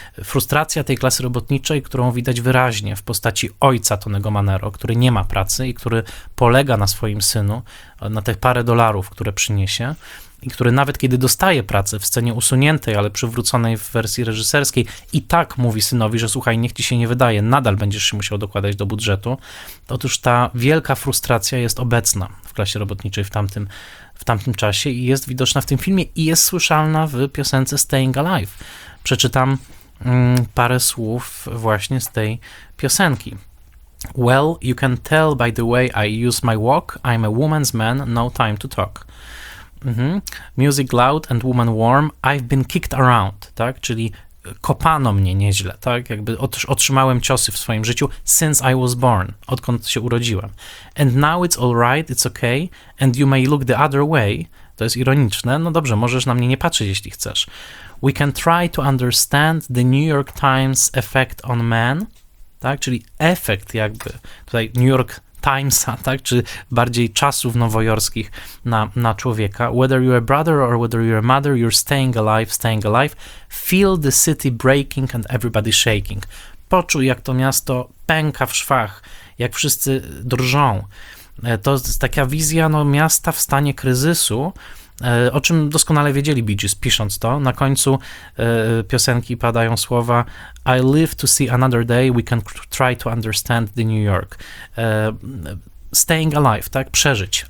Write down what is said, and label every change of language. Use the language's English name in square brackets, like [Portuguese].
[Polish] Frustracja tej klasy robotniczej, którą widać wyraźnie w postaci ojca Tonego Manero, który nie ma pracy i który polega na swoim synu, na te parę dolarów, które przyniesie i który nawet kiedy dostaje pracę w scenie usuniętej, ale przywróconej w wersji reżyserskiej i tak mówi synowi, że słuchaj, niech ci się nie wydaje, nadal będziesz się musiał dokładać do budżetu. Otóż ta wielka frustracja jest obecna w klasie robotniczej w tamtym czasie i jest widoczna w tym filmie i jest słyszalna w piosence Staying Alive. Przeczytam parę słów właśnie z tej piosenki. [English] Well, you can tell by the way I use my walk, I'm a woman's man, no time to talk. Music loud and woman warm, I've been kicked around, tak? [Polish] Czyli kopano mnie nieźle, tak? Jakby otrzymałem ciosy w swoim życiu [English] since I was born, [Polish] odkąd się urodziłem. [English] And now it's all right, it's okay, and you may look the other way. [Polish] To jest ironiczne. No dobrze, możesz na mnie nie patrzeć, jeśli chcesz. [English] We can try to understand the New York Times effect on men, tak? [Polish] Czyli efekt jakby tutaj New York Timesa, tak? Czy bardziej czasów nowojorskich na człowieka. [English] Whether you're a brother or whether you're a mother, you're staying alive, staying alive. Feel the city breaking and everybody shaking. [Polish] Poczuj, jak to miasto pęka w szwach, jak wszyscy drżą. To jest taka wizja miasta w stanie kryzysu, o czym doskonale wiedzieli Bee Gees, pisząc to. Na końcu piosenki padają słowa [English] I live to see another day, we can try to understand the New York. Staying alive, [Polish] tak? Przeżyć.